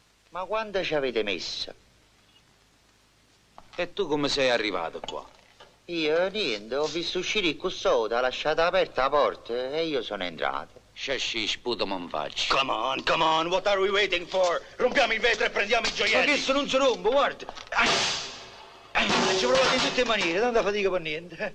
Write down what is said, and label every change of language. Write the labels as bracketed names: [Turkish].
[Italian] Ma quando ci avete messo? E tu come sei arrivato qua? Io niente, ho visto uscire qui sotto, ha lasciato aperta la porta e io sono entrato. Sci, sputo mon faccio. [English] Come on, come on, what are we waiting for? [Italian] Rompiamo il vetro e prendiamo i gioielli. Ma questo non si rompe, guarda. Ma ci provate in tutte le maniere, tanta fatica per niente.